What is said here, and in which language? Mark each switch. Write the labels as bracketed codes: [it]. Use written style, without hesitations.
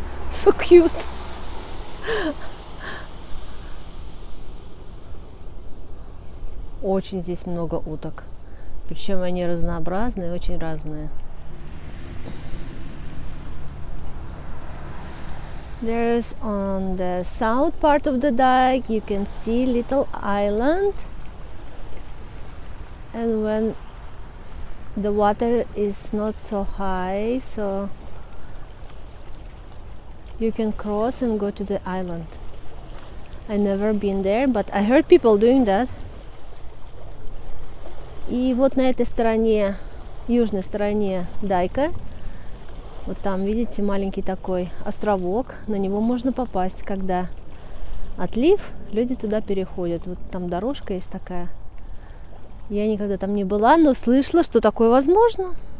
[en] So cute. [ru] Очень здесь много уток. Причем они разнообразные, очень разные. [en] There's on the south part of the dike you can see little island. And when the water is not so high, so you can cross and go to the island. I never been there, but I heard people doing that. [ru] И вот на этой стороне, южной стороне дайка, вот там, видите, маленький такой островок, на него можно попасть, когда отлив, люди туда переходят. Вот там дорожка есть такая. Я никогда там не была, но слышала, что такое возможно.